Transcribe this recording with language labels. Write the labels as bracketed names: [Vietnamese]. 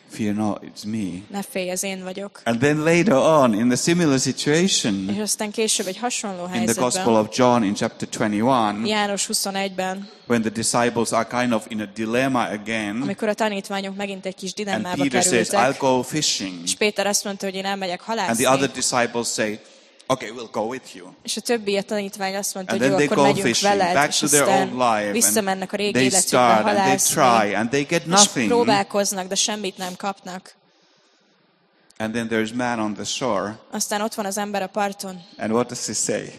[English] Fear not, it's me. [Hungarian] Ne félj, ez én vagyok. [English] And then later on, in the similar situation, [Hungarian] és aztán később egy hasonló helyzetben, [English] in the Gospel of John in chapter 21, [Hungarian] János 21-ben, [English] when the disciples are kind of in a dilemma again, [Hungarian] amikor a tanítványok megint egy kis dilemmába kerültek, [English] and Peter says, I'll go fishing. [Hungarian] És Péter azt mondta, hogy én elmegyek halászni. [English] And the other disciples say, okay, we'll go with you. [Hungarian] És a többi a tanítvány azt mondta, hogy jó, akkor megyünk [English] fishing, [Hungarian] veled. [English] Back to their own life, [Hungarian] visszamennek a régi [English] they [Hungarian] életükbe [English] start, [Hungarian] halászni. [English] And they try, and they get nothing. [Hungarian] És próbálkoznak, de semmit nem kapnak. [English] And then there's man on the shore. [Hungarian] Aztán ott van az ember a parton. [English] And what does he say?